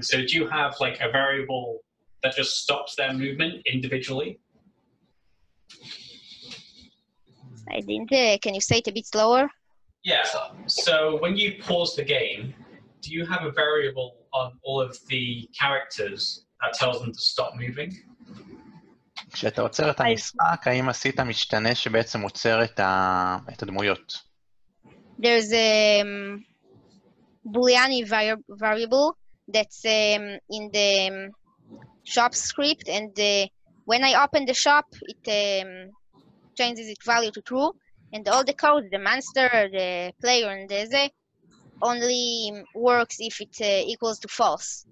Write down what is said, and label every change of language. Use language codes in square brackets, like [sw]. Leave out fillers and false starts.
[en] So do you have like a variable that just stops their movement individually? I didn't. Can you say it a bit slower? Yeah, so when you pause the game, do you have a variable on all of the characters that tells them to stop moving? [he] כשאתה עוצר את המשחק, האם עשית משתנה שבעצם עוצר את הדמויות? [en] There's a Boolean variable that's in the shop script, and when I open the shop, it changes its value to true, and all the code, the monster, the player, and the only works if it equals to false.